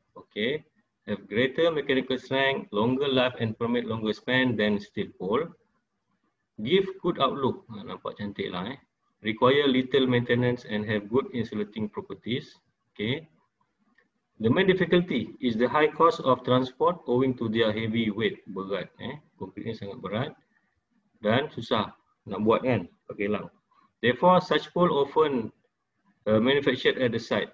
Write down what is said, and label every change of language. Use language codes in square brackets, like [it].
[en] Okay, have greater mechanical strength, longer life and permit longer span than steel pole. Give good outlook. [ms] Nampak cantik lah. [en] Require little maintenance and have good insulating properties. Okay. The main difficulty is the high cost of transport owing to their heavy weight. [ms] Berat. Concrete ni sangat berat dan susah nak buat kan? Pakai lang. [en] Therefore, such pole often manufactured at the site.